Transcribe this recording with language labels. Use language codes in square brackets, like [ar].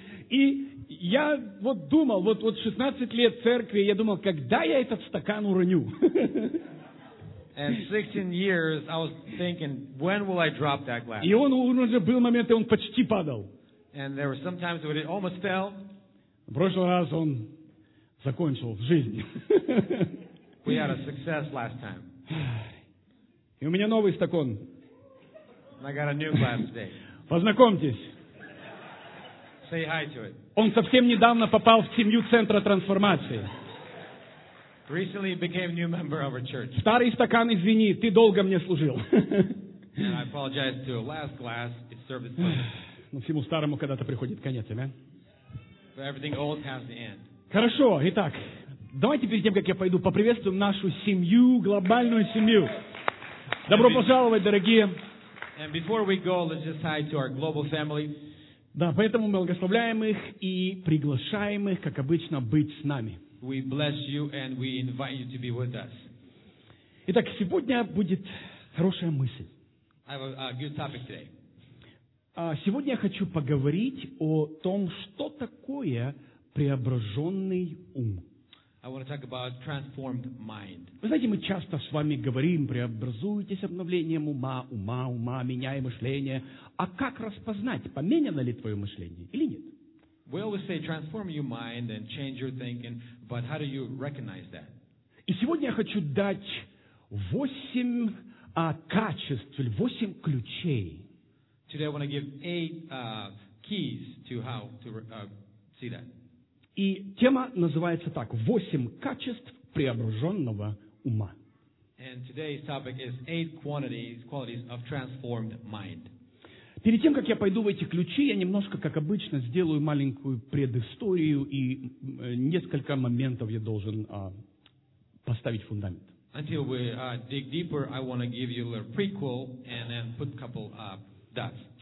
[ru] И я вот думал, вот 16 лет церкви, я думал, когда я этот стакан уроню? [en] And 16 years, I was thinking, when will I drop that glass? [ru] И он уже был момент, и он почти падал. [en] And there were some times when it almost fell. [ru] В прошлый раз он закончил в жизни. [en] We had a success last time. [ru] И у меня новый стакан. [en] And I got a new glass today. [ru] Познакомьтесь. [en] Say hi to it. [ru] Он совсем недавно попал в семью центра трансформации. [en] Recently became a new member of our church. [ru] Старый стакан, извини, ты долго мне служил. [en] And I apologize to the last glass. It served its purpose. [ru] Ну, всему старому когда-то приходит конец, амен. [en] But everything old has the end. [ru] Хорошо, итак, давайте перед тем, как я пойду, поприветствуем нашу семью, глобальную семью. Добро пожаловать, дорогие. [en] And before we go, let's just say to our global family. [ru] Да, поэтому мы благословляем их и приглашаем их, как обычно, быть с нами. [en] We bless you and we invite you to be with us. [ru] Итак, сегодня будет хорошая мысль. [en] I have a good topic today. [ru] Сегодня я хочу поговорить о том, что такое преображенный ум. [en] I want to talk about transformed mind. [ru] Вы знаете, мы часто с вами говорим, преобразуйтесь обновлением ума, ума, ума, меняй мышление. А как распознать, поменяно ли твое мышление или нет? [en] We always say transform your mind and change your thinking, but how do you recognize that? [ru] И сегодня я хочу дать 8 качеств, 8 ключей. [en] Today I want to give 8 keys to how to see that. [ru] И тема называется так: 8 качеств преображенного ума. [en] And today's topic is 8 qualities of transformed mind. [ru] Перед тем, как я пойду в эти ключи, я немножко, как обычно, сделаю маленькую предысторию и несколько моментов я должен поставить фундамент. [en] Until we dig deeper, I want to give you a little prequel and then put a couple dots.